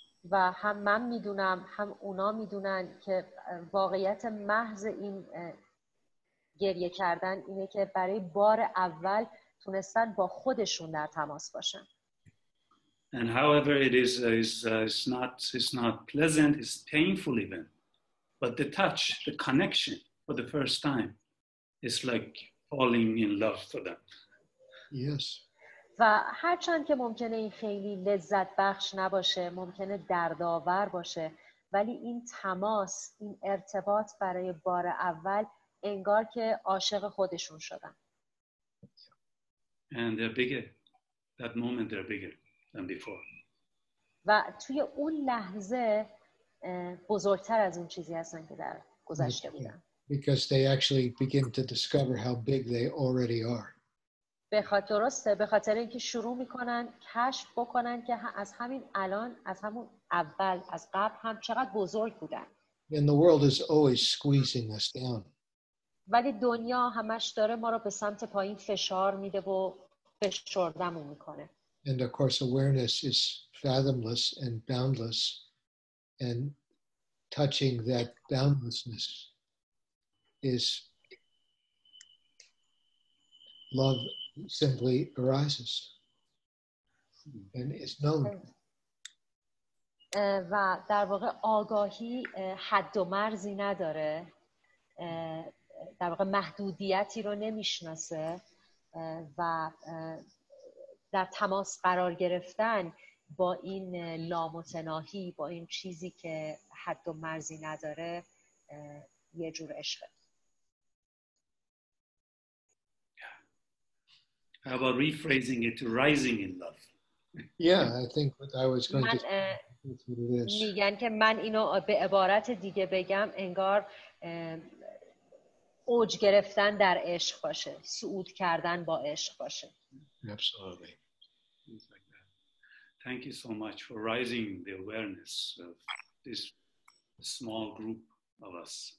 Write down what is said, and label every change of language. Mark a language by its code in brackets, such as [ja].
[fa] و هم من میدونم هم اونا میدونن که واقعیت محض این گریه کردن اینه که برای بار اول تونستن با خودشون در تماس باشن. [en] And however it is, it's not pleasant, it's painful even. But the touch, the connection for the first time, is like falling in love for them. Yes. [fa] و هرچند که ممکنه این خیلی لذت بخش نباشه، ممکنه دردآور باشه، ولی این تماس، این ارتباط برای بار اول، انگار که عاشق خودشون شدن. [en] And they're bigger. That moment they're bigger. Than before. [fa] و توی اون لحظه بزرگتر از اون چیزی هستن که در گذشته بودن. [en] Because they actually begin to discover how big they already are. [fa] به خاطر اینکه شروع میکنن کشف بکنن که از همین الان از همون اول از قبل هم چقدر بزرگ بودن. [en] And the world is always squeezing us down. [fa] ولی دنیا همش داره ما رو به سمت پایین فشار میده و فشردمون میکنه. [en] And of course, awareness is fathomless and boundless, and touching that boundlessness is love simply arises. and is known. [fa] و در واقع آگاهی حد و مرزی نداره در واقع محدودیتی رو نمیشناسه و در تماس قرار گرفتن با این لامتناهی با این چیزی که حد و مرزی نداره یه جور عشق. [en] How about rephrasing it to rising in love? Yeah, I think what I was going to [fa] میگن که من اینو به عبارت دیگه بگم انگار اوج گرفتن در عشق باشه صعود کردن با عشق باشه. [en] Absolutely. Thank you so much for raising the awareness of this small group of us.